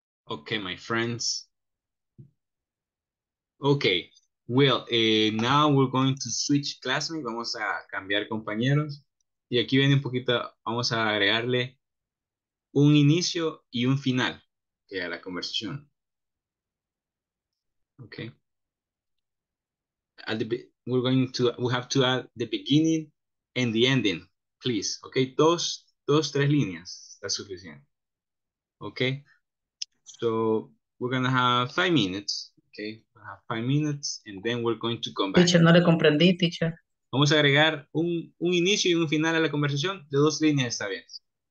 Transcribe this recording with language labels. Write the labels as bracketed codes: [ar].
[en] Okay, my friends. Okay, well, now we're going to switch classmates. [es] Vamos a cambiar compañeros. Y aquí viene un poquito, vamos a agregarle un inicio y un final a la conversación. [en] Okay. We have to add the beginning and the ending, please. [es] Okay, tres líneas, está suficiente. Okay. [en] So we're gonna have 5 minutes, okay? We have 5 minutes, and then we're going to come back. [es] Teacher, no le comprendí, teacher. Vamos a agregar un inicio y un final a la conversación de dos líneas esta vez.